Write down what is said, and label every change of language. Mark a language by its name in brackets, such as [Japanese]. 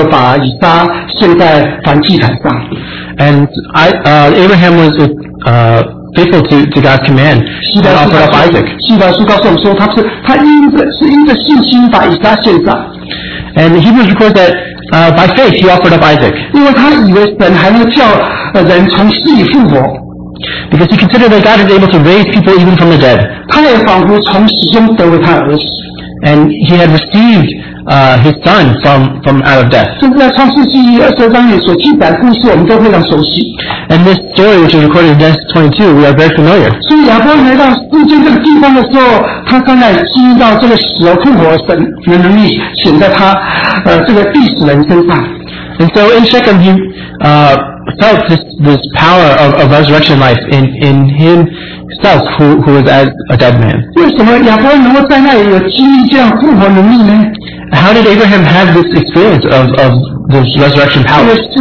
[Chinese] 亚伯就顺服神的话，就把以撒献在燔祭坛上。 [English] And Abraham was faithful to God's command to offer up Isaac. [Chinese] 希伯来书告诉我们说，他是因着信心把以撒献上。 [English] And Hebrews records that by faith he offered up Isaac. [Chinese] 因为他以为神还能叫人从死里复活。 [English] Because he considered that God is able to raise people even from the dead. [Chinese] 他也仿佛从死中得了他儿子。 [English] And he had received his son from out of death. [Chinese] 在创世纪22章所记载的故事，我们都非常熟悉。 [English] And this story, which is recorded in Genesis 22, we are very familiar. [Chinese] 所以亚伯来到世界这个地方的时候，他刚才经历到这个死而复活的能力，显在他这个历史人身上。 [English] And so in Shechem, he felt this power of resurrection life in him. Self, who was as a dead man. How did Abraham have this experience of this resurrection power?